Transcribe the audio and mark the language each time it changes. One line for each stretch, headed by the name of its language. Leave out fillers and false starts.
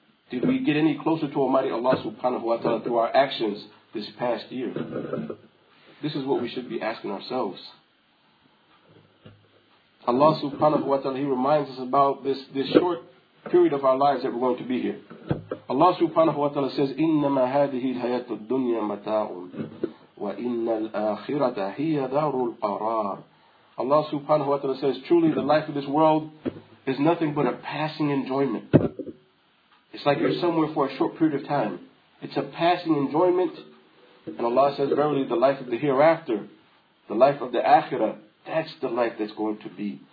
English: Did we get any closer to Almighty Allah subhanahu wa ta'ala through our actions this past year? This is what we should be asking ourselves. Allah subhanahu wa ta'ala, He reminds us about this short period of our lives that we're going to be here. Allah subhanahu wa ta'ala says,
Arabic: إِنَّمَا هَذِهِ الْحَيَاةُ الدُّنْيَا مَتَاعٌ وَإِنَّ الْآخِرَةَ هِيَ دَارُ الْقَرَارِ.
English: Allah subhanahu wa ta'ala says, truly the life of this world is nothing but a passing enjoyment. It's like you're somewhere for a short period of time. It's a passing enjoyment. And Allah says, verily, the life of the hereafter, the life of the akhirah, that's the life that's going to be.